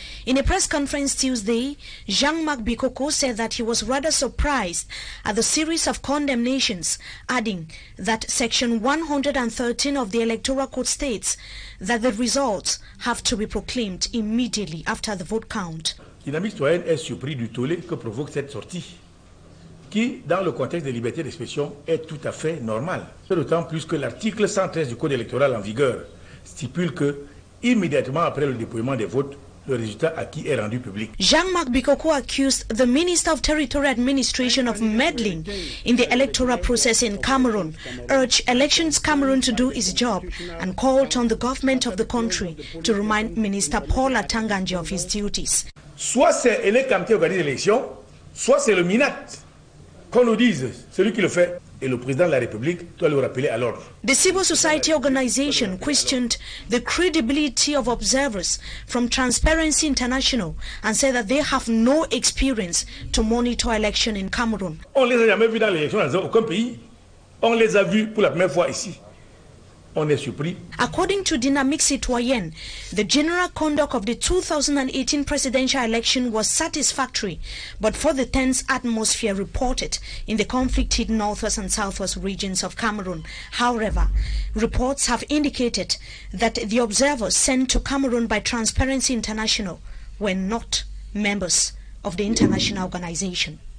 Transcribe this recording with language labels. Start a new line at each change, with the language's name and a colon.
English: In a press conference Tuesday, Jean-Marc Bikoko said that he was rather surprised at the series of condemnations, adding that Section 113 of the Electoral Code states that the results have to be proclaimed immediately after the vote count.
French: Dynamique Citoyenne est surpris du tollé que provoque cette sortie, qui, dans le contexte de liberté d'expression, est tout à fait normal. D'autant plus que l'article 113 du Code électoral en vigueur stipule que, immédiatement après le dépouillement des votes, le résultat acquis est rendu public.
English: Jean-Marc Bikoko accused the Minister of Territorial Administration of meddling in the electoral process in Cameroon, urged Elections Cameroon to do its job, and called on the government of the country to remind Minister Paul Atanganji of his duties.
French: Soit c'est NKAMWAH qui organise l'élection, soit c'est le MINAT. Qu'on nous dise, celui qui le fait est le président de la République, doit le rappeler à l'ordre.
English: The civil society organization questioned the credibility of observers from Transparency International and said that they have no experience to monitor election in Cameroon.
French: On ne les a jamais vus dans l'élection dans aucun pays. On les a vus pour la première fois ici. On est surpris.
English: According to Dynamique Citoyenne, the general conduct of the 2018 presidential election was satisfactory, but for the tense atmosphere reported in the conflict-hit northwest and southwest regions of Cameroon. However, reports have indicated that the observers sent to Cameroon by Transparency International were not members of the international organization.